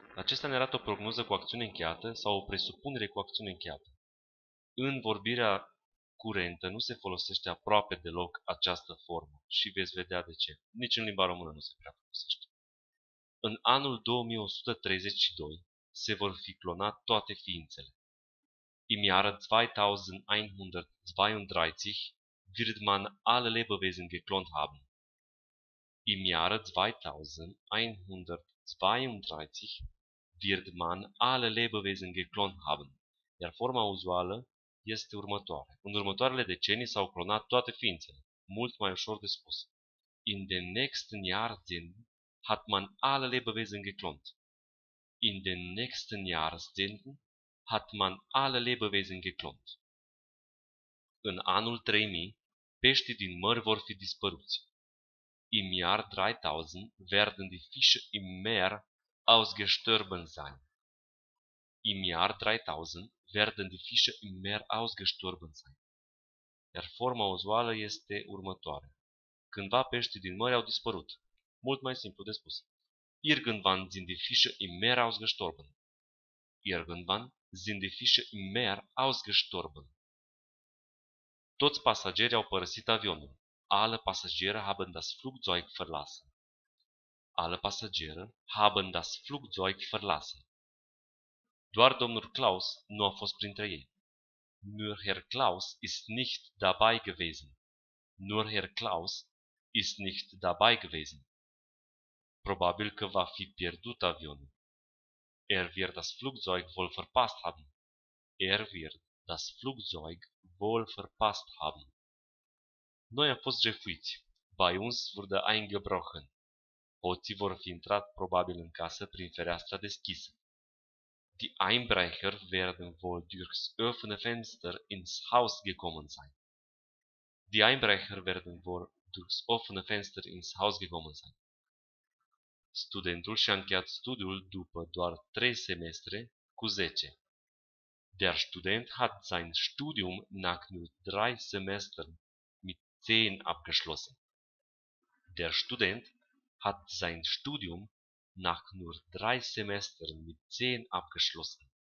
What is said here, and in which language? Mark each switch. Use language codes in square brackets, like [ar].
[ro] Acesta ne arată o prognoză cu acțiune încheiată sau o presupunere cu acțiune încheiată. În vorbirea curentă nu se folosește aproape deloc această formă și veți vedea de ce. Nici în limba română nu se prea folosește. În anul 2132 se vor fi clonat toate ființele. [de] Im Jahre 2132 wird man alle Lebewesen geklont haben. Im Jahre 2132 wird man alle Lebewesen geklont haben. [ro] Iar forma uzuală este următoare. În următoarele decenii s-au clonat toate ființele. Mult mai ușor de spus. [de] In den nächsten Jahren hat man alle Lebewesen geklont. In den nächsten Jahren hat man alle Lebewesen geklont. [ro] În anul 3000, peștii din mări vor fi dispăruți. [de] Im Jahr 3000 werden die Fische im Meer ausgestorben sein. Im Jahr 3000 werden die Fische im Meer ausgestorben sein. [ro] Iar forma uzuală este următoare. Cândva peștii din mări au dispărut. Mult mai simplu de spus. [de] Irgendwann sind die Fische im Meer ausgestorben. Irgendwann sind die Fische im Meer ausgestorben. [ro] Toți pasagerii au părăsit avionul. [de] Alle Passagiere haben das Flugzeug verlassen. Alle Passagiere haben das Flugzeug verlassen. [ro] Doar domnul Klaus nu a fost printre ei. [de] Nur Herr Klaus ist nicht dabei gewesen. Nur Herr Klaus ist nicht dabei gewesen. [ro] Probabil că va fi pierdut avionul. [de] Wird das Flugzeug wohl verpasst haben. Wird das Flugzeug wohl verpasst haben. [ro] Noi am fost jefuiți. [de] Bei uns wurde eingebrochen. [ro] Hoții vor fi intrat probabil în casă prin fereastra deschisă. [de] Die Einbrecher werden wohl durchs offene Fenster ins Haus gekommen sein. Die Einbrecher werden wohl durchs offene Fenster ins Haus gekommen sein. [ro] Studentul și-a încheiat studiul după doar 3 semestre cu 10. [de] Der Student hat sein Studium nach nur 3 Semestern mit 10 abgeschlossen. Der Student hat sein Studium nach nur 3 Semestern mit 10 abgeschlossen.